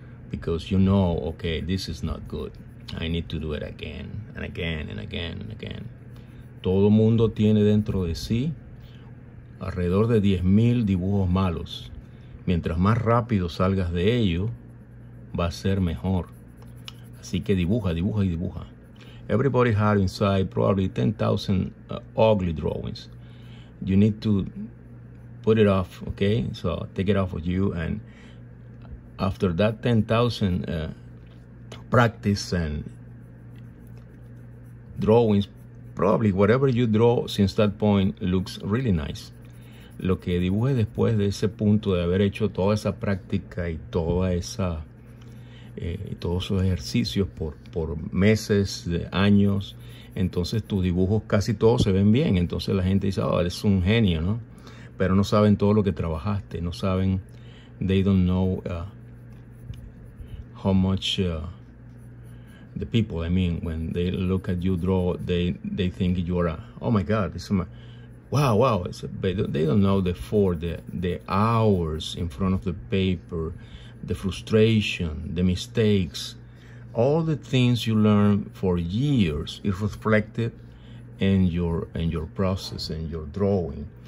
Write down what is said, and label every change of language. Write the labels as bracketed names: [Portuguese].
[English] Because you know, okay, this is not good. I need to do it again and again and again and again. [Spanish] Todo mundo tiene dentro de sí alrededor de 10,000 dibujos malos. Mientras más rápido salgas de ello, va a ser mejor. Así que dibuja, dibuja y dibuja. [English] Everybody has inside probably 10,000 ugly drawings. You need to put it off, okay? So take it off of you, and after that 10,000 practice and drawings, probably whatever you draw since that point looks really nice. [Spanish] Lo que dibujes después de ese punto de haber hecho toda esa práctica y toda esa todos esos ejercicios por meses, años, entonces tus dibujos casi todos se ven bien. Entonces la gente dice, oh, eres un genio, ¿no? Pero no saben todo lo que trabajaste, no saben, [English] they don't know how much the people, I mean, when they look at you draw, they think you are, oh my God, it's my, wow, it's a, but they don't know the hours in front of the paper, the frustration, the mistakes, all the things you learn for years is reflected in your process, in your drawing.